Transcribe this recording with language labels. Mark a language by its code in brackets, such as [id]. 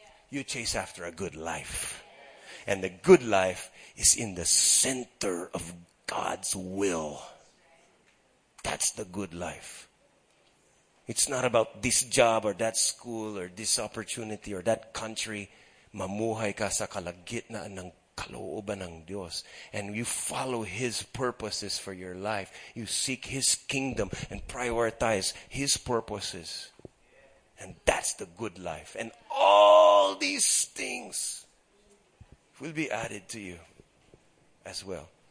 [en] You chase after a good life. And the good life is in the center of God's will. That's the good life. It's not about this job or that school or this opportunity or that country. [tl] Mamuhay ka sa kalagitnaan ng kalooban ng Diyos. [en] And you follow His purposes for your life. You seek His kingdom and prioritize His purposes. And that's the good life. And all these things will be added to you as well.